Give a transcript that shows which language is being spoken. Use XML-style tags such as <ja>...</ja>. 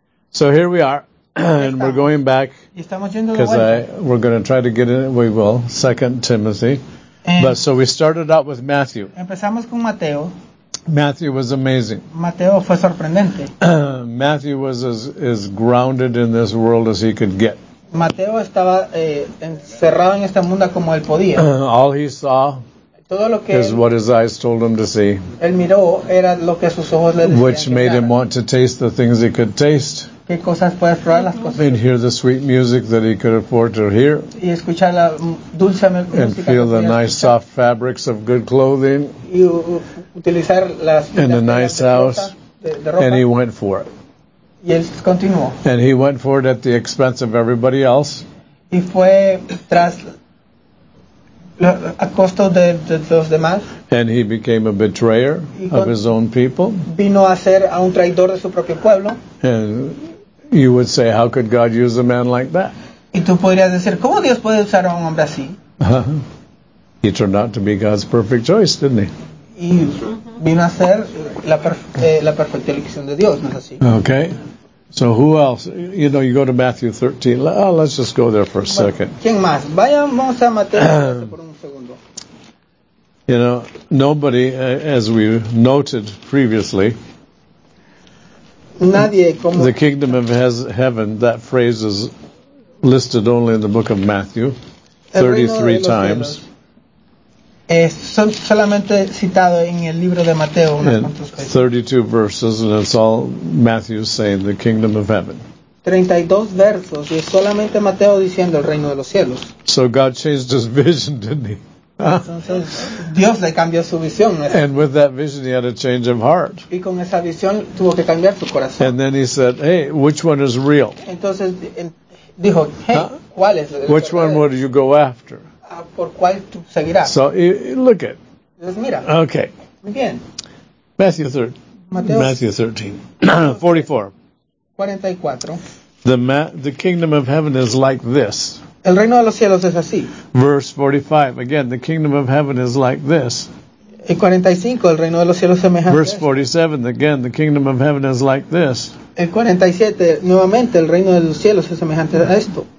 <en>So here we are, and we're going back, because we're going to try to get in, we will, 2 Timothy. But so we started out with Matthew.</en> <es>Empezamos con Mateo.</es> <en>Matthew was amazing.</en> <es>Mateo fue sorprendente.</es> <en>Matthew was as grounded in this world as he could get.</en> <es>Mateo estaba encerrado en este mundo como él podía.</es> <en>All he saw</en> <es>todo lo que</es> <en>is what his eyes told him to see.</en> <es>Él miró era lo que sus ojos le decían.</es> <en>Which made</en> <es>que</es> <en>him want to taste the things he could taste.</en> <es>¿Qué cosas puede probar las cosas?</es> <en>And hear the sweet music that he could afford to hear.</en> <es>Y escuchar la dulce música.</es> <en>And feel the nice</en> <es>escuchar.</es> <en>Soft fabrics of good clothing.</en> <es>Y utilizar las</es> <en>in a nice</en> <es>de</es> <en>house.</en> <es>De ropa.</es> <en>And he went for it.</en> <es>Y él continuó.</es> <en>And he went for it at the expense of everybody else.</en> <es>Y fue tras a costo de los demás.</es> <en>And he became a betrayer of his own people.</en> <es>Vino a ser a un traidor de su propio pueblo.</es> <en>And you would say, how could God use a man like that?</en> <es>Y tú podrías decir, ¿cómo Dios puede usar a un hombre así?</es> <en>He turned out to be God's perfect choice, didn't he?</en> <es>Y vino a ser la perfecta elección de Dios, ¿no es así?</es> <en>Okay. So who else? You know, you go to Matthew 13. Oh, let's just go there for a second.</en> <es>¿Quién más? Vayamos a Mateo por un segundo.</es> <en>You know, nobody, as we noted previously,</en> <es>nadie como</es> <en>the kingdom of heaven, that phrase is listed only in the book of Matthew 33 times.</en> <es>Es solamente citado en el libro de Mateo unas cuantas veces.</es> <en>32 verses, and it's all Matthew saying the kingdom of heaven.</en> <es>32 versos y es solamente Mateo diciendo el reino de los cielos.</es> <en>So God changed his vision, didn't he?</en> <es>Entonces, Dios le cambió su visión, ¿no?</es> <en>And with that vision, he had a change of heart.</en> <es>Y con esa visión, tuvo que cambiar su corazón.</es> <en>And then he said, hey, which one is real?</en> <es>Entonces, dijo, hey, ¿cuál es el</es> <en>which one would you go after?</en> <es>Por cuál tú seguirás.</es> <en>So, look at.</en> <es>Entonces, mira.</es> <en>Okay.</en> <es>Muy bien.</es> <en>Matthew 13. 44. The kingdom of heaven is like this.</en> <es>El reino de los cielos es así.</es> <en>Verse 45. Again, the kingdom of heaven is like this.</en> <es>El 45, el reino de los cielos semejante.</es> <en>Verse 47. Again, the kingdom of heaven is like this.</en> <es>El 47. Nuevamente, el reino de los cielos es semejante a esto.</es>